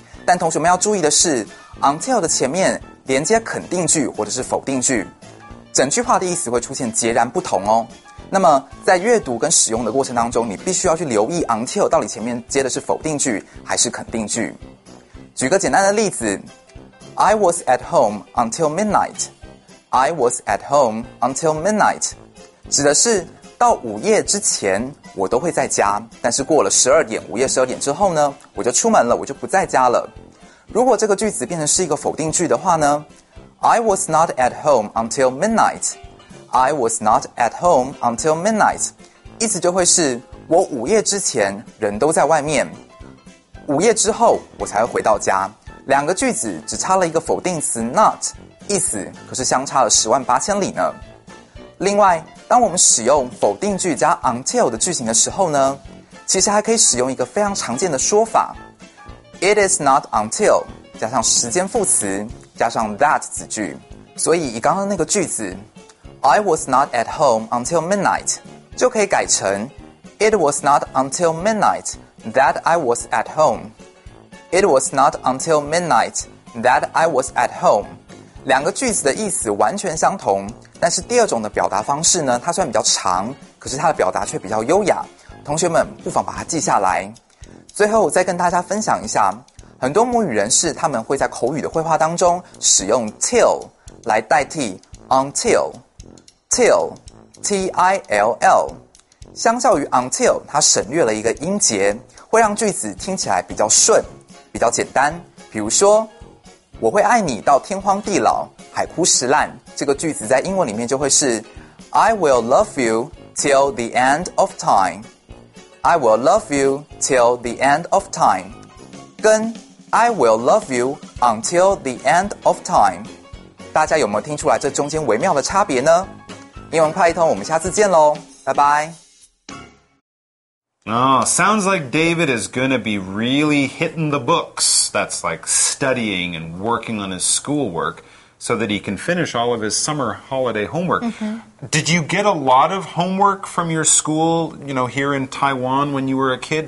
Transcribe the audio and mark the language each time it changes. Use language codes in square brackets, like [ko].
[zh] 但同学们要注意的是 ，until 的前面连接肯定句或者是否定句，整句话的意思会出现截然不同哦。那么在阅读跟使用的过程当中，你必须要去留意 until 到底前面接的是否定句还是肯定句。举个简单的例子。 [en] I was at home until midnight. I was at home until midnight. [zh] 指的是到午夜之前我都会在家，但是过了12点，午夜12点之后呢，我就出门了，我就不在家了。如果这个句子变成是一个否定句的话呢， [en] I was not at home until midnight. I was not at home until midnight. [zh] 意思就会是我午夜之前人都在外面，午夜之后我才会回到家。两个句子只差了一个否定词 not， 意思可是相差了十万八千里呢。另外，当我们使用否定句加 until 的句型的时候呢，其实还可以使用一个非常常见的说法， [en] It is not until [zh] 加上时间副词加上 that 子句。所以以刚刚那个句子 [en] I was not at home until midnight [zh] 就可以改成 [en] It was not until midnight that I was at home。 It was not until midnight that I was at home。 [zh] 两个句子的意思完全相同，但是第二种的表达方式呢，它虽然比较长，可是它的表达却比较优雅，同学们不妨把它记下来。最后再跟大家分享一下，很多母语人士他们会在口语的绘画当中使用 till 来代替 until， till T-I-L-L， 相较于 until 它省略了一个音节，会让句子听起来比较顺比较简单。比如说，我会爱你到天荒地老海枯石烂，这个句子在英文里面就会是 [en] I will love you till the end of time， I will love you till the end of time， [zh] 跟 [en] I will love you until the end of time， [zh] 大家有没有听出来这中间微妙的差别呢？英文快一通，我们下次见咯，拜拜。 [en] Oh, sounds like David is going to be really hitting the books. That's like studying and working on his schoolwork so that he can finish all of his summer holiday homework. Mm-hmm. Did you get a lot of homework from your school, you know, here in Taiwan when you were a kid?